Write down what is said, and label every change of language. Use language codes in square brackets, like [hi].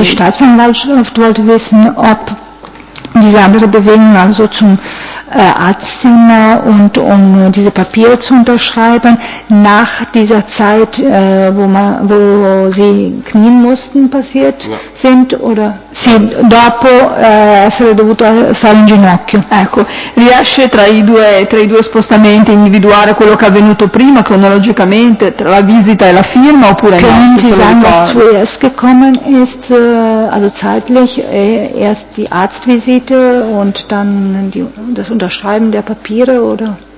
[de] Die Staatsanwaltschaft wollte wissen, ob diese andere Bewegung, also zum Arztzimmer und um diese Papiere zu unterschreiben, nach dieser Zeit, wo sie knien mussten, passiert sind, oder? [it] Sì, dopo essere dovuto stare in ginocchio. Ecco, riesce tra i due spostamenti individuare quello che è avvenuto prima, cronologicamente, tra la visita e la firma, oppure no? [de] Können Sie sagen, was zuerst gekommen ist, also zeitlich, erst die Arztvisite und dann das Unterschreiben der Papiere, oder?